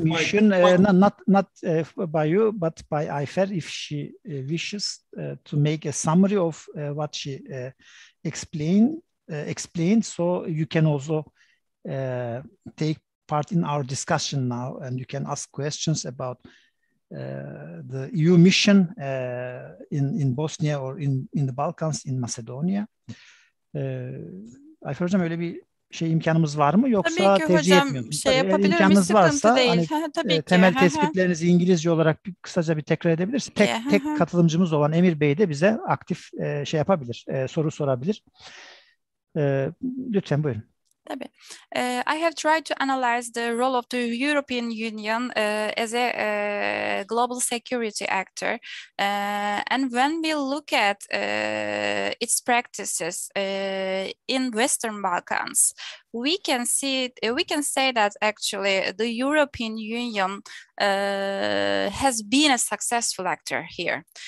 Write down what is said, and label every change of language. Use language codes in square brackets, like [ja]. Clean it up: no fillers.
[en] mission, not by you, but by Ayfer, if she wishes to make a summary of what she explained, so you can also take part in our discussion now, and you can ask questions about the EU mission in Bosnia or in the Balkans, in Macedonia. [tr] Ayfer Hocam, öyle bir imkanımız var mı, yoksa tercih etmiyorum? Tabii ki hocam, tabii, imkanınız varsa değil. Hani, temel tespitlerinizi İngilizce olarak kısaca bir tekrar edebiliriz. Tek katılımcımız olan Emir Bey de bize aktif yapabilir, soru sorabilir. Lütfen buyurun. [en] I have tried to analyze the role of the European Union as a global security actor. And when we look at its practices in Western Balkans, we can see it, we can say that actually the European Union has been a successful actor here.